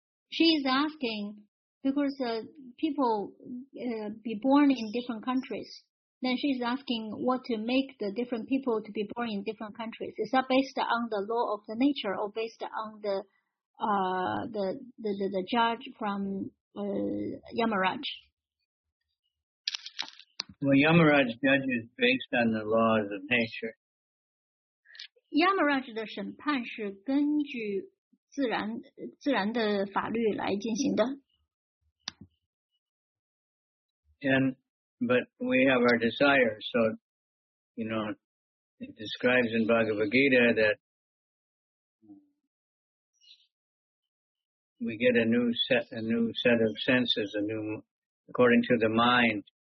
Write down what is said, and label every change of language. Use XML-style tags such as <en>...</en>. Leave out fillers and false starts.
<en>She is asking, because people be born in different countries, then she's asking what to make the different people to be born in different countries. Is that based on the law of the nature or based on the judge from Yamaraj? Well, Yamaraj judges based on the laws of nature.</en> <zh>Yamaraj 的审判是根据自然的法律来进行的。</zh> <en>But we have our desire, so, you know, it describes in Bhagavad Gita that we get a new set of senses, according to the mind.</en>